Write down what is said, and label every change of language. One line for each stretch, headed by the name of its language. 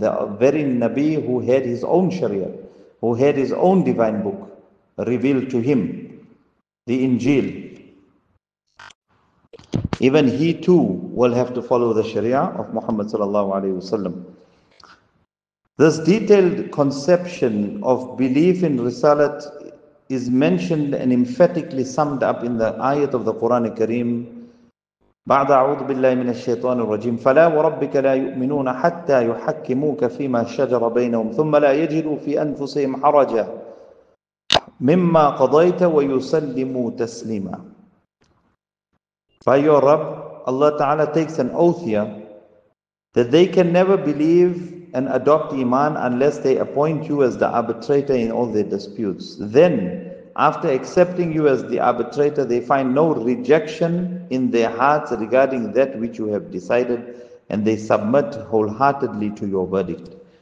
English: The very Nabi who had his own shariat, who had his own divine book revealed to him, the Injil, even he too will have to follow the Sharia of Muhammad sallallahu alaihi wasallam. This detailed conception of belief in Risalat is mentioned and emphatically summed up in the ayat of the Quran al-Kareem.
Arabic: بعد أعوذ بالله من الشيطان الرجيم فلا وربك لا يؤمنون حتى يحكموك فيما شجر بينهم ثم لا يجدوا في أنفسهم حرجا مما قضيت ويسلموا تسليما.
English: By your Rabb, Allah Ta'ala takes an oath here that they can never believe and adopt Iman unless they appoint you as the arbitrator in all their disputes. Then, after accepting you as the arbitrator, they find no rejection in their hearts regarding that which you have decided, and they submit wholeheartedly to your verdict.